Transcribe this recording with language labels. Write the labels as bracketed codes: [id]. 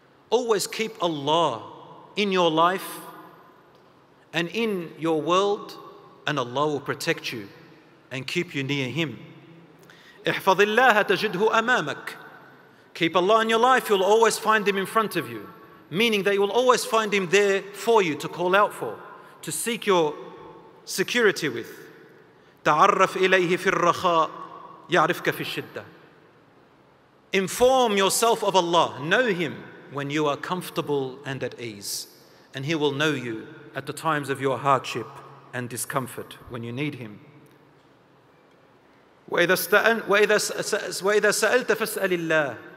[en] Always keep Allah in your life and in your world, and Allah will protect you and keep you near Him. [ar] احفظِ الله تجده أمامك. [en] Keep Allah in your life, you'll always find Him in front of you. Meaning that you will always find Him there for you to call out for, to seek your security with. [ar] تعرف إليه في الرخاء يعرفك في الشدة. [en] Inform yourself of Allah. Know Him when you are comfortable and at ease. And He will know you at the times of your hardship and discomfort when you need Him. [ar] وَإِذَا سَأَلْتَ فَاسْأَلِ اللَّهِ.